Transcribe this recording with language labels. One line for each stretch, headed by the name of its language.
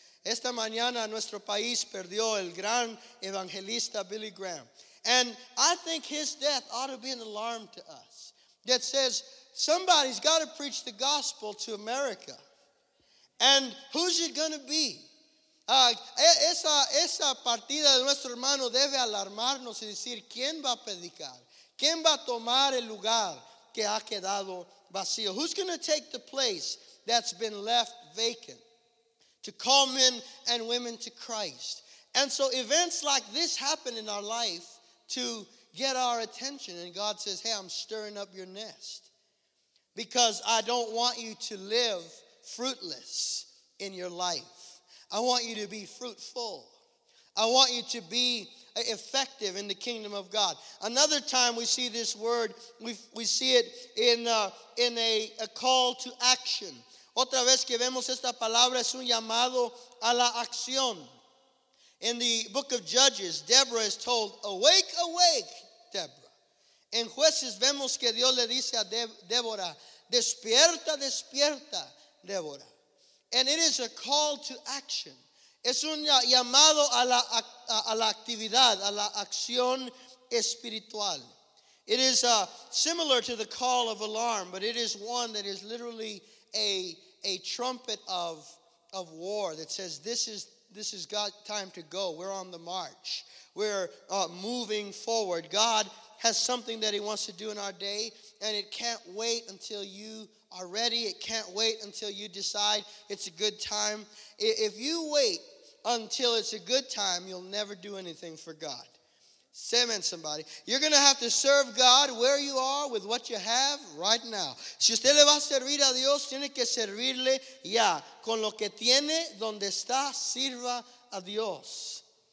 Spanish: Esta mañana nuestro país perdió el gran evangelista Billy Graham.
English: And I think his death ought to be an alarm to us that says somebody's got to preach the gospel to America. And who's it going to be?
Spanish: Esa partida de nuestro hermano debe alarmarnos y decir, ¿quién va a predicar? ¿Quién va a tomar el lugar que ha quedado vacío?
English: Who's going to take the place that's been left vacant? To call men and women to Christ. And so events like this happen in our life to get our attention. And God says, "Hey, I'm stirring up your nest. Because I don't want you to live fruitless in your life. I want you to be fruitful. I want you to be effective in the kingdom of God." Another time we see this word, we see it in a call to action.
Spanish: Otra vez que vemos esta palabra es un llamado a la acción.
English: In the book of Judges, Deborah is told, "Awake, awake, Deborah."
Spanish: En Jueces vemos que Dios le dice a Deborah, "Despierta, despierta, Deborah."
English: And it is a call to action.
Spanish: Es un llamado a la actividad, a la acción espiritual.
English: It is similar to the call of alarm, but it is one that is literally a trumpet of war that says this is God, time to go. We're on the march. We're moving forward. God has something that he wants to do in our day, and it can't wait until you are ready. It can't wait until you decide it's a good time. If you wait until it's a good time, you'll never do anything for God. Say amen, somebody. You're going to have to serve God where you are with what you have right now.
Spanish: Si usted le va a servir a Dios, tiene que servirle ya. Con lo que tiene, donde está, sirva a Dios.